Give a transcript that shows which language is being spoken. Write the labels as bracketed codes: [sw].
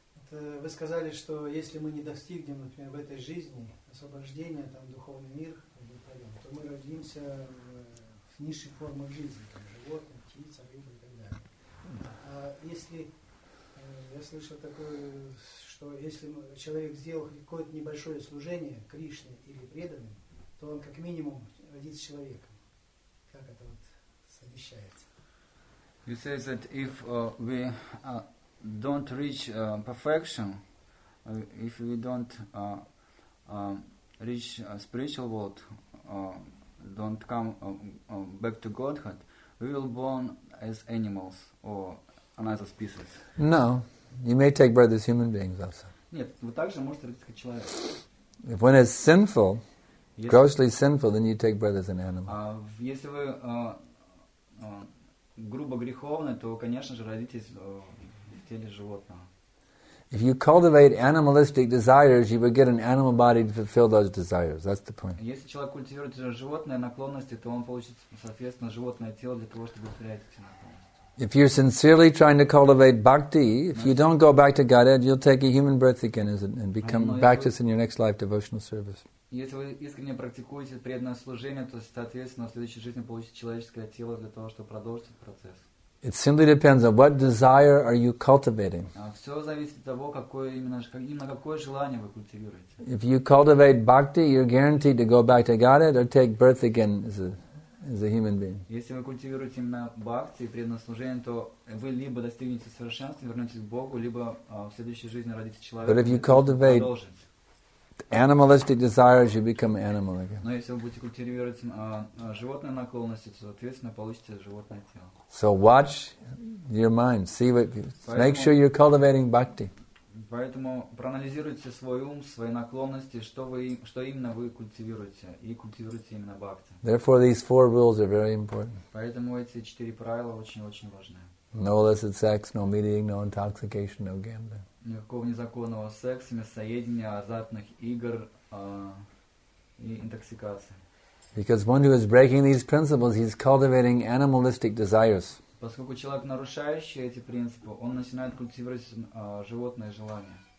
[ru] вы сказали, что если мы не достигнем, например, в этой жизни освобождения, там, духовный мир, то мы родимся в низших формах жизни, там, животных, птиц, рыб и так далее. А если, я слышал такое, что если человек сделал какое-то небольшое служение Кришне или преданным, то он как минимум родится человеком. Как это вот совмещается? [en] You say that if we don't reach perfection, if we don't reach a spiritual world, don't come back to Godhead, we will born as animals or another species. No, you may take birth as human beings also. [ru] Нет, вы также можете родиться как человек. [en] If one is sinful, grossly sinful, then you take birth as an animal. [ru] Если вы грубо греховны, то, конечно же, родитесь в теле животного. [en] If you cultivate animalistic desires, you will get an animal body to fulfill those desires. That's the point. [ru] Если человек культивирует животные наклонности, то он получит, соответственно, животное тело для того, чтобы удовлетворять эти наклонности. [en] If you're sincerely trying to cultivate bhakti, if you don't go back to Godhead, you'll take a human birth again and become bhaktis in your next life devotional service. [ru] Если вы искренне практикуете преданное служение, то, соответственно, в следующей жизни получите человеческое тело для того, чтобы продолжить процесс. [en] It simply depends on what desire are you cultivating. [ru] Все зависит от того, какое именно какое желание вы культивируете. [en] If you cultivate bhakti, you're guaranteed to go back to Godhead or take birth again as a human being. [ru] Если вы культивируете именно бхакти и преданное служение, то вы либо достигнете совершенства, вернетесь к Богу, либо в следующей жизни родитесь человеком. [en] But if you cultivate animalistic desires, you become animal again. [ru] Но если вы будете культивировать животные наклонности, то, соответственно, получите животное тело. [en] So watch your mind. See what. Make sure you're cultivating bhakti. [ru] Поэтому проанализируйте свой ум, свои наклонности, что именно вы культивируете, и культивируйте именно бхакти. [en] Therefore, these four rules are very important. [ru] Поэтому эти четыре правила очень-очень важны. [en] No illicit sex, no meeting, no intoxication, no gambling. [ru] Никакого незаконного секса, мясоедения, азартных игр и интоксикации. [en] Because one who is breaking these principles, he's cultivating animalistic desires. [ru] Поскольку человек, нарушающий эти принципы, он начинает культивировать животное желание.